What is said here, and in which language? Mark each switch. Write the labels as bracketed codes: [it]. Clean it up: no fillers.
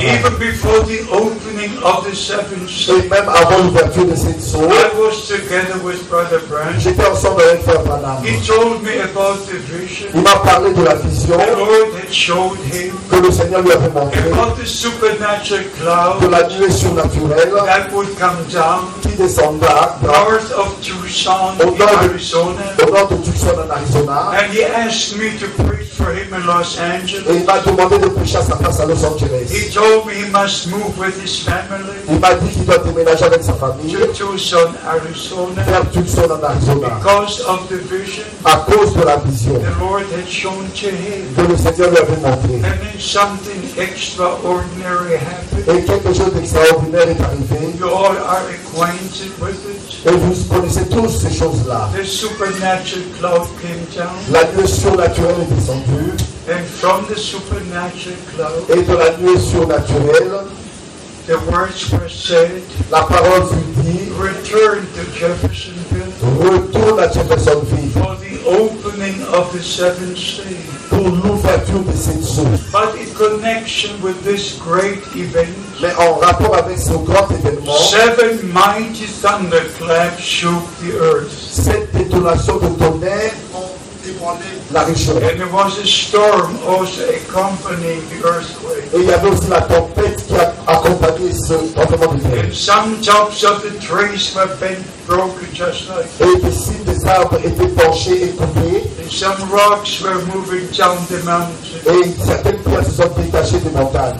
[en] Even before the opening of the seventh [fr] soul, et même avant l'ouverture de cette soul, [en] I was together with Brother Branham. [fr] J'étais ensemble avec Frère Branham. [en] He told me about the vision. [fr] Il m'a parlé de la vision. [en] The Lord had showed him [fr] que le Seigneur lui avait montré. [en] About the supernatural cloud, [fr] de la nuée surnaturelle [en] that would come down, [fr] qui descendra. [en] North of Tucson, [fr] au nord de Tucson, en Arizona. [en] And he asked me to preach for him in Los Angeles. [fr] Et il m'a demandé de prêcher à sa place à Los Angeles. [en] He told me he must move with his family. [fr] Il m'a dit qu'il doit déménager avec sa famille. [en] To Tucson, Arizona. [fr] Vers Tucson, en Arizona. [en] Because of the vision. [fr] À cause de la vision. [en] The Lord had shown to him. [fr] Que le Seigneur lui avait montré. [en] And then something extraordinary happened. [fr] Et quelque chose d'extraordinaire est arrivé. [en] You all are acquainted with it. [fr] Et vous connaissez toutes ces choses-là. [en] The supernatural cloud came down. [fr] La nuée surnaturelle est descendue. [en] And from the supernatural cloud, [fr] et de la nuée surnaturelle, [en] the words were said, [fr] la parole fut dit, [en] return to Jeffersonville, [fr] retourne à Jeffersonville [en] for the opening of the seventh seal, [fr] pour l'ouverture de cette source. [en] But in connection with this great event, [fr] mais en rapport avec ce grand événement, [en] 7 mighty thunderclaps shook the earth. [fr] 7 détonations de tonnerre ont ébranlé la richesse. [en] And there was a storm also accompanying the earthquake. [fr] Et il y avait aussi la tempête qui a accompagné ce tremblement de terre. [en] And some tops of the trees were bent, broken just like. [fr] Et les cimes des arbres étaient penchées et coupées. [en] And some rocks were moving down the mountain. [fr] Et certaines pierres se sont détachées des montagnes.